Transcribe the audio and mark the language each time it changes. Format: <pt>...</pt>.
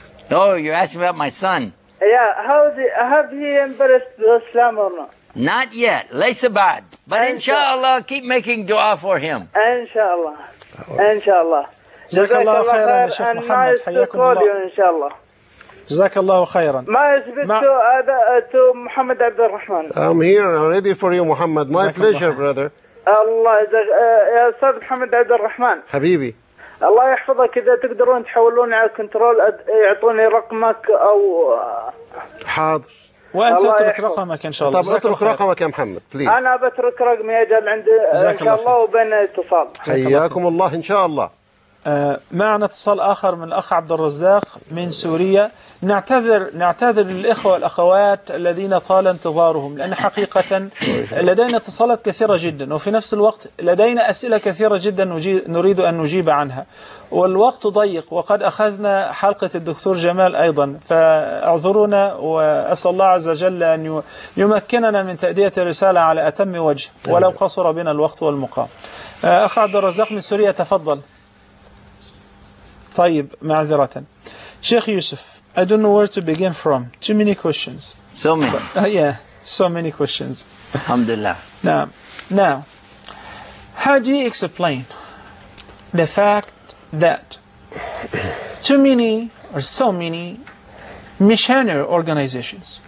<en>Oh, you're asking about my son. Yeah, have he embraced Islam or not? Not yet. Laysa bad. But inshallah, keep making dua for him. Inshallah. Inshallah. JazakAllah khairan, Sheikh Muhammad. Nice to call you, inshallah.</en> <ar>جزاك الله خيرا. ما يثبت هذا تو محمد عبد الرحمن.</ar> <en>I'm here ready for you محمد. My pleasure brother.</en> <ar>الله يجزاك يا استاذ محمد عبد الرحمن حبيبي. الله يحفظك. اذا تقدرون تحولون على كنترول يعطوني رقمك او حاضر. وانت اترك رقمك ان شاء الله. طب اترك رقمك يا محمد بليز. انا بترك رقمي اجل عندي ان شاء الله وبين اتصال. حياكم الله ان شاء الله. معنا اتصال اخر من الاخ عبد الرزاق من سوريا. نعتذر للاخوه والاخوات الذين طال انتظارهم لان حقيقه لدينا اتصالات كثيره جدا وفي نفس الوقت لدينا اسئله كثيره جدا نريد ان نجيب عنها والوقت ضيق وقد اخذنا حلقه الدكتور جمال ايضا فاعذرونا واسال الله عز وجل ان يمكننا من تاديه الرساله على اتم وجه ولو قصر بنا الوقت والمقام. اخ عبد الرزاق من سوريا تفضل. طيب معذرة شيخ يوسف.</ar> <en>I don't know where to begin from. Too many questions. So many. But, yeah, so many questions. Alhamdulillah. Now, how do you explain the fact that too many or so many missionary organizations</en>